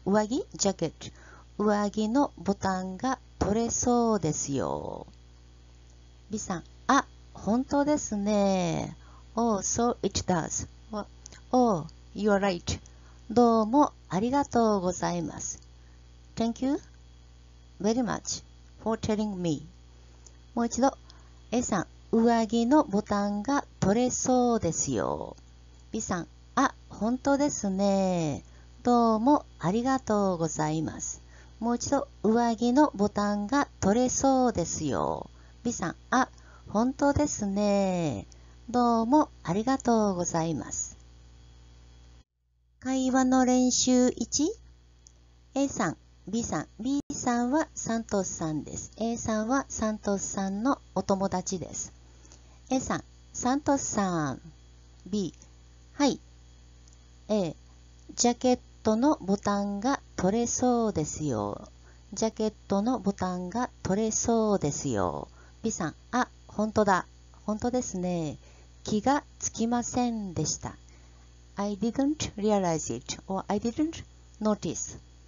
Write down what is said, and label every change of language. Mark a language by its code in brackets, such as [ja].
[ja] 上着、ジャケット。上着のボタンが取れそうですよ。 B さん、あ、本当ですね。 [en] Oh, so it does. Oh, you are right. [ja] どうもありがとうございます。 [en] Thank you very much for telling me. [ja] もう一度、A さん、上着のボタンが取れそうですよ。 B さん、あ、本当ですね。どうもありがとうございます。もう一度、上着のボタンが取れそうですよ。 B さん、あ、本当ですね。どうもありがとうございます。会話の練習1。A さん、B さん、B さんはサントスさんです。 A さんはサントスさんのお友達です。A さん、サントスさん。 B、はい。A、ジャケットのボタンが取れそうですよ。ジャケットのボタンが取れそうですよ。 B さん、あ、本当だ。本当ですね。気がつきませんでした。 [en] I didn't realize it or I didn't notice.